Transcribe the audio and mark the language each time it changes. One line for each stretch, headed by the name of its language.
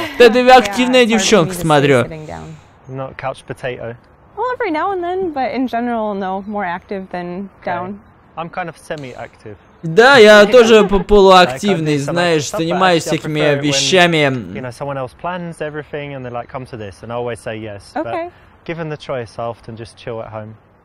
Russian: Да ты активная девчонка, смотрю.
English: Well, every now and then, but in general, no, more active than down. I'm kind of semi-active.
Russian: Да, я тоже полуактивный, знаешь, занимаюсь всякими вещами.
English: You know, someone else plans everything, and they like come to this, and I always say yes. Okay. Given the choice, I often just chill at home.